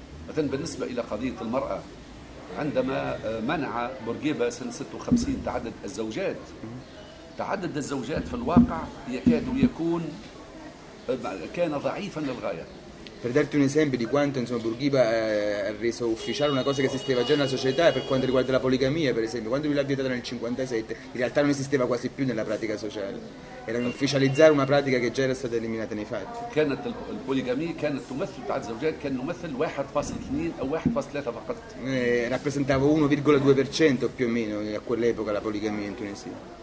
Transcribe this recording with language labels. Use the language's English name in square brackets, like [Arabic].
[Arabic] Atten بالنسبة إلى قضية المرأة عندما منع بورغيبا سنة 56 تعدد الزوجات. تعدد الزوجات في الواقع يكاد يكون كان ضعيفا للغاية. [Italian] Per darti un esempio di quanto insomma Bourguiba ha reso ufficiale una cosa che esisteva già nella società per quanto riguarda la poligamia, per esempio, quando lui l'ha vietata nel 57, in realtà non esisteva quasi più nella pratica sociale. Era ufficializzare una pratica che già era stata eliminata nei fatti. [Arabic] كانت البوليغامي كانت تمثل تعدد الزوجات كان يمثل 1.2 او 1.3 فقط. [Italian] Rappresentava 1,2% più o meno a quell'epoca la poligamia in Tunisia.